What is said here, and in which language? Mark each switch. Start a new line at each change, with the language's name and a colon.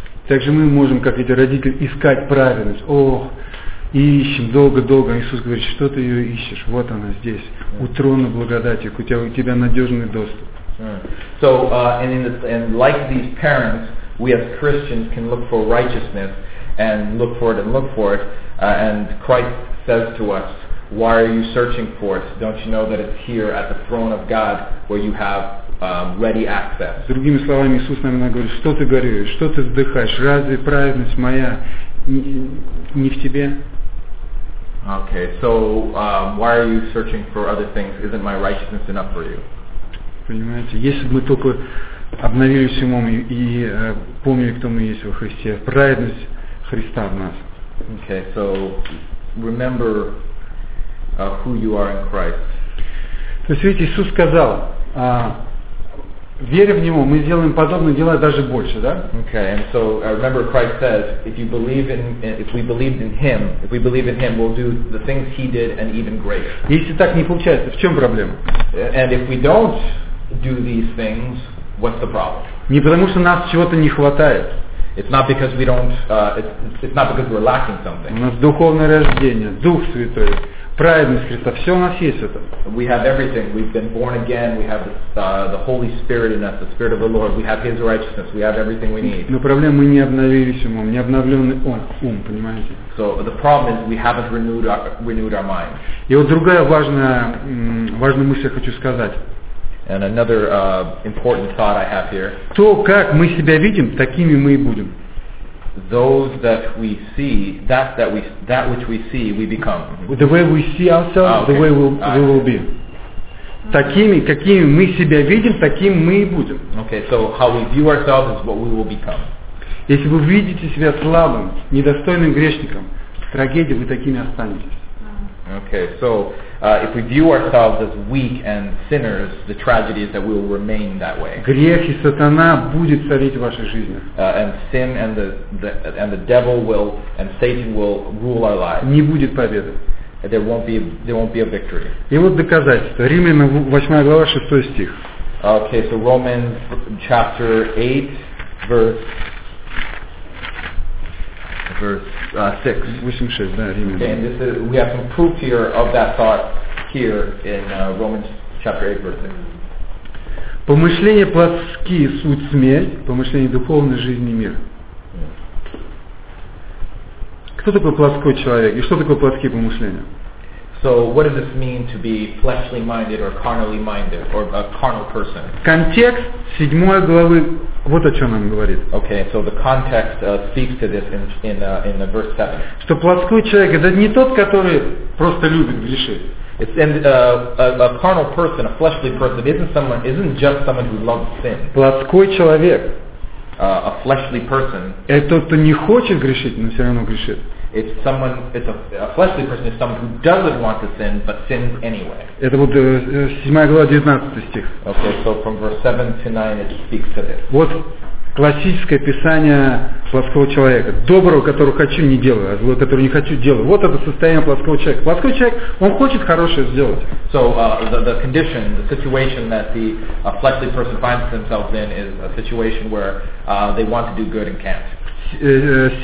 Russian: Также мы можем, как эти родители, искать праведность. Ох, и ищем долго-долго. Иисус говорит, что ты ее ищешь? Вот она здесь, у трона благодати, у тебя надежный доступ.
English: So, and like these parents, we as Christians can look for righteousness and look for it and look for it. And Christ says to us, why are you searching for it? Don't you know that it's here at the throne of God where you have ready access?
Russian: Другими словами, Иисус нам говорит, что ты горюешь, что ты вздыхаешь, разве праведность моя не в тебе?
English: Okay, so why are you searching for other things? Isn't my righteousness enough for you?
Russian: Понимаете, если бы мы только обновились умом и помнили, кто мы есть во Христе, праведность Христа в нас.
English: Okay, so remember who you are in Christ.
Russian: То есть, видите, Иисус сказал, веря в Него, мы сделаем подобные дела даже больше, да?
English: Okay, and so remember Christ says, if we believed in Him, if we believe in Him, we'll do the things He did and even greater.
Russian: Если так не получается, в чем проблема?
English: And if we don't do these things, what's the problem?
Russian: Не потому что нас чего-то не хватает.
English: It's not because we're lacking something.
Russian: У нас духовное рождение, Дух Святой, праведность Христа, все у нас есть это.
English: We have everything. We've been born again. We have the Holy Spirit in us, the Spirit of the Lord. We have His righteousness. We have everything we need.
Russian: Но проблема, мы не обновились умом, не обновленный ум, понимаете?
English: So the problem is we haven't renewed our mind.
Russian: И вот другая важная мысль я хочу сказать.
English: And another important thought I have here.
Russian: То, как мы себя видим, такими мы и будем.
English: Those that we see, that which we see, we become. The way we see ourselves, the way we will be.
Russian: Такими, какими мы себя видим, таким мы и будем.
English: Okay, so how we view ourselves is what we will become.
Russian: Если вы видите себя слабым, недостойным грешником, трагедия, вы такими останетесь.
English: Okay, so if we view ourselves as weak and sinners, the tragedy is that we will remain that way.
Russian: Грех и сатана будет царить в вашей жизни.
English: And sin and the devil will and Satan will rule our lives.
Russian: Не будет победы.
English: There won't be a victory.
Russian: И вот доказательство. Римлянам 8 глава 6 стих.
English: Okay, so Romans chapter 8 verse
Russian: 6. Да,
English: okay, and this is, we have some proof here of that thought here in Romans chapter 8 verse 6.
Russian: Помышления плотские – суть смерть, помышления духовной – жизнь и мир. Кто такой плотской человек и что такое плотские помышления?
English: So what does this mean to be fleshly minded or carnally minded or a carnal person?
Russian: Контекст 7 главы. Вот о чем нам говорит.
English: Okay, so the context speaks to this in the verse 7.
Russian: Что плотской человек это не тот, который просто любит грешить.
English: It's a carnal person, a fleshly person isn't just someone who loves sin.
Russian: Плотской человек
English: a fleshly person.
Russian: Это тот, кто не хочет грешить, но все равно грешит.
English: It's a fleshly person is someone who doesn't want to sin but sins anyway.
Russian: Это вот 7 глава 19 стих.
English: Okay, so from verse 7 to 9 it speaks to this.
Russian: Вот классическое описание плотского человека. Доброго, которого хочу, не делаю, а злого, которого не хочу, делаю. Вот это состояние плотского человека. Плотской человек, он хочет хорошее сделать.
English: So the condition, the situation that the fleshly person finds themselves in is a situation where they want to do good and can't.